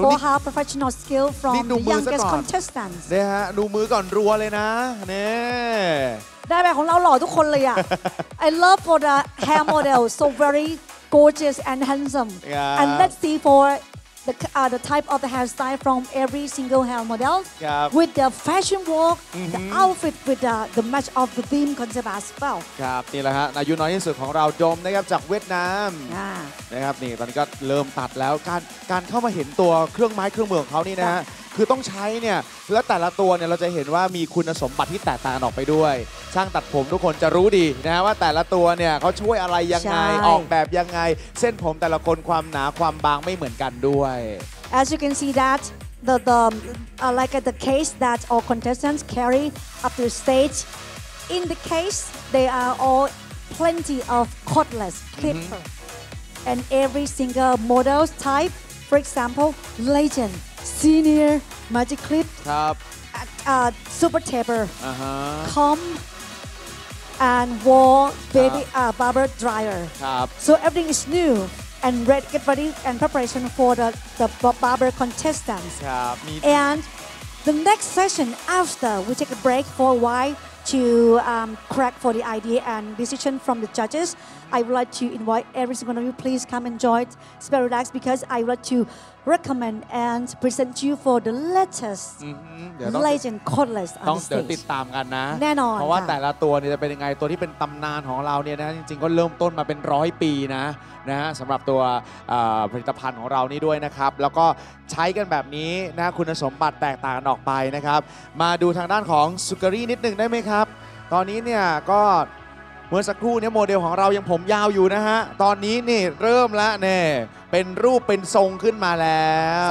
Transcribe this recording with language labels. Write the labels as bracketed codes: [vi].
[en] for how professional skill from the youngest contestants [th] เนี่ยฮะดูมือก่อนรัวเลยนะเนี่ย ได้แบบของเราหล่อทุกคนเลยอ่ะ [en] I love for the hair model so very gorgeous and handsome and let's see forThe type of the hairstyle from every single hair model, yep. with the fashion walk, mm-hmm. the outfit with the match of the theme concept as well. [th] ครับนี่แหละฮะอายุน้อยที่สุดของเราดมนะครับจากเวียดนามนะครับนี่ตอนนี้ก็เริ่มตัดแล้วการเข้ามาเห็นตัวเครื่องไม้เครื่องมือของเขานี่นะฮะคือต้องใช้เนี่ยแล้วแต่ละตัวเนี่ยเราจะเห็นว่ามีคุณสมบัติที่แตกต่างออกไปด้วยช่างตัดผมทุกคนจะรู้ดีนะว่าแต่ละตัวเนี่ยเขาช่วยอะไรยังไงออกแบบยังไงเส้นผมแต่ละคนความหนาความบางไม่เหมือนกันด้วย [en] As you can see that the like the case that all contestants carry up to stage in the case they are all plenty of cordless clipper and every single models type for example legendSenior Magic Clip [th] ครับ [en] Super Taper uh-huh. Comb and Wall Baby Barber Dryer [th] ครับ [en] So everything is new and ready get ready and preparation for the barber contestants [th] ครับ [en] And the next session after we take a break for a while to crack for the idea and decision from the judges I would like to invite every single one of you please come and join Spare Relax because I would like to recommend and present you for the latest legend cordless [th] ต้องติดตามกันนะ แน่นอน เพราะว่าแต่ละตัวเนี่ยจะเป็นยังไงตัวที่เป็นตำนานของเราเนี่ยนะจริงๆก็เริ่มต้นมาเป็น100ปีนะสำหรับตัวผลิตภัณฑ์ของเรานี่ด้วยนะครับแล้วก็ใช้กันแบบนี้นะคุณสมบัติแตกต่างออกไปนะครับมาดูทางด้านของซูการี่นิดนึงได้ไหมครับตอนนี้เนี่ยก็เมื่อสักครู่เนี่ยโมเดลของเรายังผมยาวอยู่นะฮะตอนนี้นี่เริ่มแล้วเนี่ยเป็นรูปเป็นทรงขึ้นมาแล้ว